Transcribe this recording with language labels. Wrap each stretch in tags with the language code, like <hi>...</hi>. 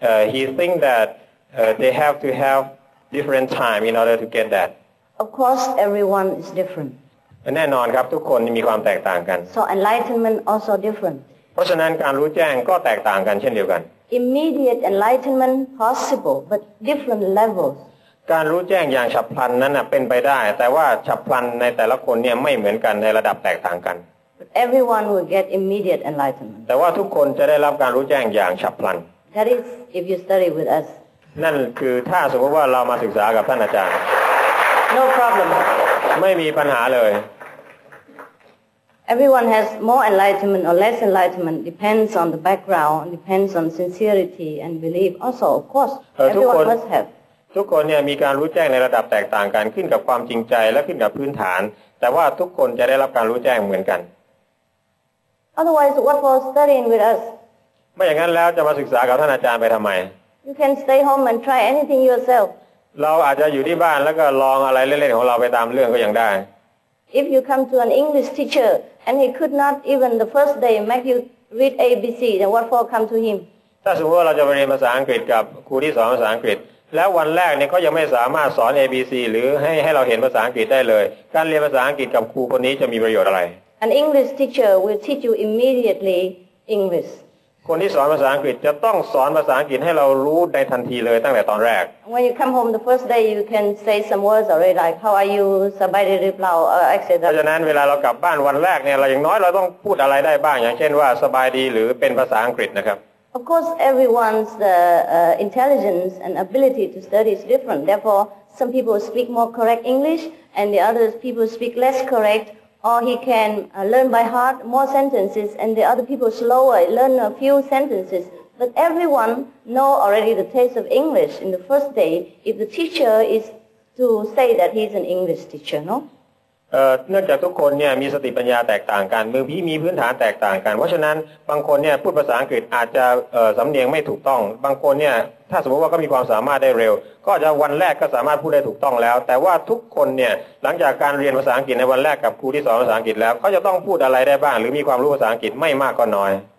<en>He think that they have to have different time in order to get that. Of course, everyone is different.</en> <th>แน่นอนครับทุกคนมีความแตกต่างกัน</th> <en>So enlightenment also different.</en> <th>เพราะฉะนั้นการรู้แจ้งก็แตกต่างกันเช่นเดียวกัน</th> <en>Immediate enlightenment possible, but different levels.</en> <th>การรู้แจ้งอย่างฉับพลันนั้นน่ะเป็นไปได้แต่ว่าฉับพลันในแต่ละคนเนี่ยไม่เหมือนกันในระดับแตกต่างกัน</th> <en>Everyone will get immediate enlightenment</en> <th>แต่ว่าทุกคนจะได้รับการรู้แจ้งอย่างฉับพลัน</th> <en>That is if you study with us</en> <th>นั่นคือถ้าสมมติว่าเรามาศึกษากับท่านอาจารย์</th> <en>No problem</en> <th>ไม่มีปัญหาเลย</th> <en>Everyone has more enlightenment or less enlightenment depends on the background depends on sincerity and belief also of course everyone must have</en> <th>ทุกคนเนี่ยมีการรู้แจ้งในระดับแตกต่างกันขึ้นกับความจริงใจและขึ้นกับพื้นฐานแต่ว่าทุกคนจะได้รับการรู้แจ้งเหมือนกัน</th> <en>Otherwise what for studying with us</en> <th>ไม่อย่างนั้นแล้วจะมาศึกษากับท่านอาจารย์ไปทำไม</th> <en>You can stay home and try anything yourself</en> <th>เราอาจจะอยู่ที่บ้านแล้วก็ลองอะไรเล่นๆของเราไปตามเรื่องก็ยังได้</th> <en>If you come to an English teacher and he could not even the first day make you read A B C then what for come to him</en> <th>ถ้าสมมติว่าเราจะไปเรียนภาษาอังกฤษกับครูที่สอนภาษาอังกฤษแล้ววันแรกเนี่ยก็ยังไม่สามารถสอน A B C หรือให้เราเห็นภาษาอังกฤษได้เลยการเรียนภาษาอังกฤษกับครูคนนี้จะมีประโยชน์อะไร</th> <en>An English teacher will teach you immediately English</en> <th>คนที่สอนภาษาอังกฤษจะต้องสอนภาษาอังกฤษให้เรารู้ในทันทีเลยตั้งแต่ตอนแรก</th> <en>When you come home the first day you can say some words already like how are you</en> <th>สบายดีหรือเปล่า</th> <en>etc.</en> <th>เพราะฉะนั้นเวลาเรากลับบ้านวันแรกเนี่ยเราอย่างน้อยเราต้องพูดอะไรได้บ้างอย่างเช่นว่าสบายดีหรือเป็นภาษาอังกฤษนะครับ</th> <en>Of course everyone's intelligence and ability to study is different therefore some people speak more correct English and the other people speak less correctOr he can learn by heart more sentences, and the other people slower learn a few sentences. But everyone know already the taste of English in the first day. If the teacher is to say that he's an English teacher, no?</en> <th>เนื่องจากทุกคนเนี่ยมีสติปัญญาแตกต่างกันมือพี่มีพื้นฐานแตกต่างกันเพราะฉะนั้นบางคนเนี่ยพูดภาษาอังกฤษอาจจะสำเนียงไม่ถูกต้องบางคนเนี่ยถ้าสมมติว่าก็มีความสามารถได้เร็วก็จะวันแรกก็สามารถพูดได้ถูกต้องแล้วแต่ว่าทุกคนเนี่ยหลังจากการเรียนภาษาอังกฤษในวันแรกกับครูที่สอนภาษาอังกฤษแล้วเขาจะต้องพูดอะไรได้บ้างหรือมีความรู้ภาษาอังกฤษไม่มากก็น้อย</th>